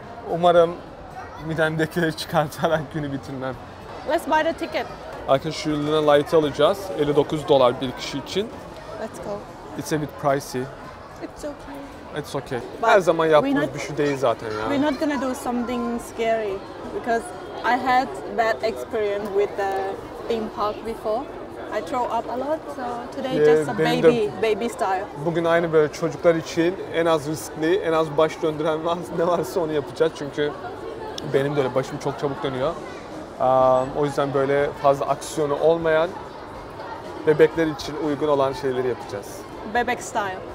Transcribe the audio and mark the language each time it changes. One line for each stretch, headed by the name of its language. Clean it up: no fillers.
Turkish: Umarım midemdekileri çıkartarak günü bitirmem.
English: Let's buy the ticket.
Turkish: Arkadaşlar şu Luna Light'ı alacağız. 59 dolar bir kişi için.
English: Let's go. It's a bit pricey. It's okay. It's okay.
Turkish: But her zaman yaptığımız bir şey değil zaten ya.
English: We're not gonna do something scary because I had bad experience with the theme park before. I throw up a lot, so today just a baby style.
Turkish: Bugün aynı böyle çocuklar için en az riskli, en az baş döndüren ne varsa onu yapacağız. Çünkü benim de öyle başım çok çabuk dönüyor. O yüzden böyle fazla aksiyonu olmayan, bebekler için uygun olan şeyleri yapacağız. Bebek style.